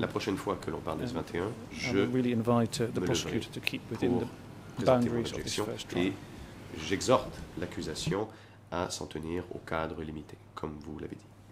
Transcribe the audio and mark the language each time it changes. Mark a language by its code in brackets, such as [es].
[fr] La prochaine fois que l'on parle de S21, je [en] really invite the prosecutor to keep within the boundaries of this first trial. [fr] Et j'exhorte l'accusation à s'en tenir au cadre limité, comme vous l'avez dit.